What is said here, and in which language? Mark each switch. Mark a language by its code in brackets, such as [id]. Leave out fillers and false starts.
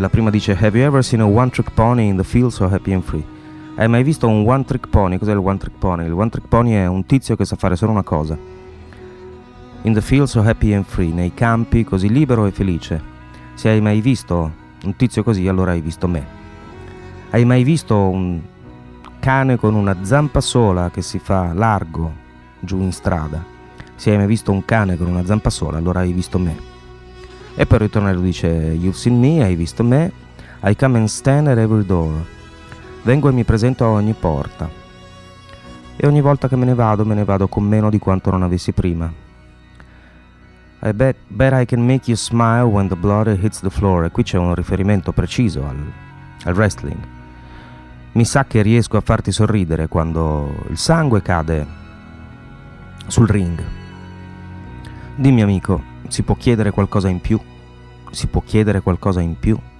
[it] La prima dice: [en] Have you ever seen a one-trick pony in the field so happy and free? [it] Hai mai visto un one-trick pony? Cos'è il one-trick pony? Il one-trick pony è un tizio che sa fare solo una cosa. [en] In the field so happy and free. [it] Nei campi così libero e felice. Se hai mai visto un tizio così, allora hai visto me. Hai mai visto un cane con una zampa sola che si fa largo giù in strada? Se hai mai visto un cane con una zampa sola, allora hai visto me. E poi il ritornello dice: [en] You've seen me, [it] hai visto me. [en] I come and stand at every door. [it] Vengo e mi presento a ogni porta. E ogni volta che me ne vado con meno di quanto non avessi prima. [en] I bet I can make you smile when the blood hits the floor. [it] E qui c'è un riferimento preciso al wrestling. Mi sa che riesco a farti sorridere quando il sangue cade sul ring. Dimmi, amico, si può chiedere qualcosa in più? Si può chiedere qualcosa in più?